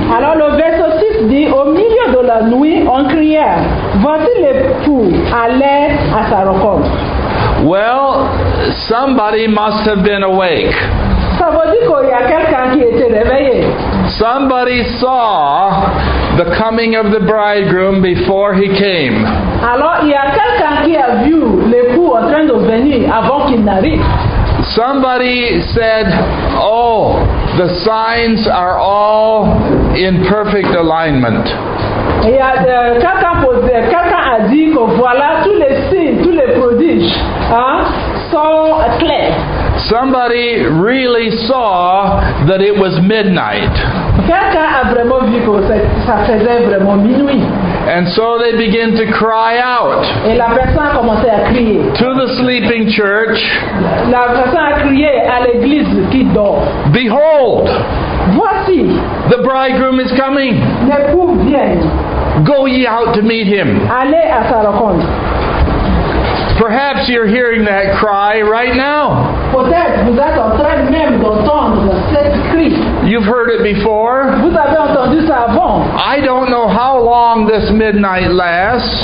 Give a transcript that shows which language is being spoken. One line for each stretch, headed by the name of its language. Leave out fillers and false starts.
French: Alors le verset 6 dit, au milieu de la nuit, on criait, voici l'époux, allez à sa rencontre.
English: Well, somebody must have been awake.
French: Ça veut dire qu'il y a quelqu'un qui était réveillé.
English: Somebody saw the coming of the bridegroom before he came.
French: Alors, il y a quelqu'un qui a vu l'époux en train de venir avant qu'il n'arrive.
English: Somebody said, oh, the signs are all in perfect alignment.
French: Il y a quelqu'un a dit que voilà, tous les signes, tous les prodiges sont clairs.
English: Somebody really saw that it was midnight.
French: Quelqu'un a vraiment vu que ça faisait vraiment minuit.
English: And so they begin to cry out.
French: Et la personne a commencé à crier.
English: To the sleeping church.
French: La personne a crié à l'église qui dort.
English: Behold.
French: Voici.
English: The bridegroom is coming.
French: L'époux vient.
English: Go ye out to meet him.
French: Allez à sa rencontre.
English: Perhaps you're hearing that cry right now.
French: Peut-être vous êtes en train même d'entendre cette cri.
English: You've heard it before.
French: Vous avez entendu ça avant.
English: I don't know how long this midnight lasts.